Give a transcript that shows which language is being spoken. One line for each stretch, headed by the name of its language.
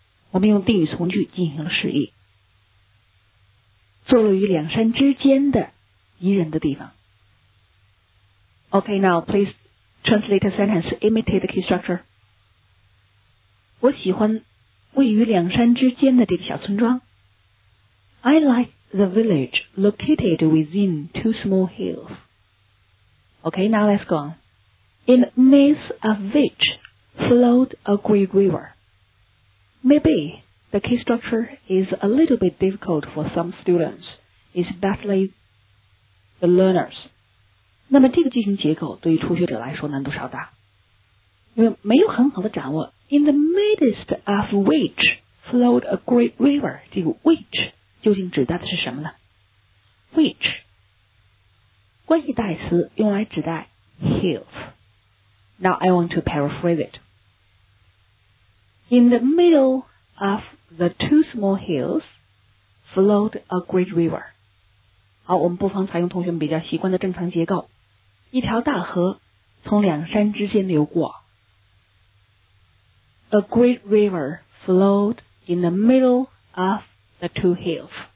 Chinese: 我们用定语从句进行了示意。坐落于两山之间的宜人的地方。
English: Okay, now please translate a sentence, imitate the key structure.
Chinese: 我喜欢位于两山之间的这个小村庄。
English: I like the village located within two small hills. Okay, now let's go on. In the midst of which flowed a great river. Maybe the key structure is a little bit difficult for some students, especially the learners.
Chinese: 那么这个句型结构对于初学者来说难度稍大。因为没有很好的掌握
English: In the midst of which flowed a great river
Chinese: 这个 which 究竟指代的是什么呢 which 关系代词用来指代
English: hills Now I want to paraphrase it In the middle of the two small hills flowed a great river
Chinese: 好我们不妨采用同学们比较习惯的正常结构一条大河从两山之间流过
English: A great river flowed in the middle of the two hills.